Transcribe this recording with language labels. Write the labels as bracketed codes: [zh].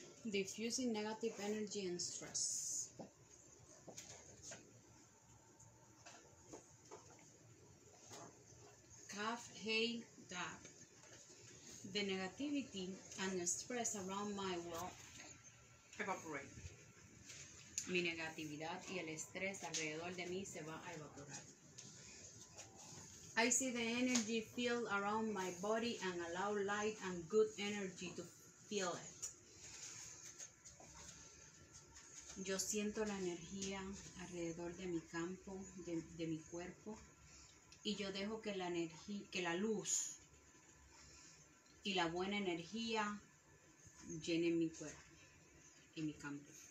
[en] Diffusing negative energy and stress. Kaf Hei Dab. The negativity and the stress around my world evaporate. [es] Mi negatividad y el estrés alrededor de mí se va a evaporar. [en] I see the energy field around my body and allow light and good energy to fill it. [es] Yo siento la energía alrededor de mi campo, de mi cuerpo, y yo dejo que la energía, que la luz y la buena energía llenen mi cuerpo y mi campo.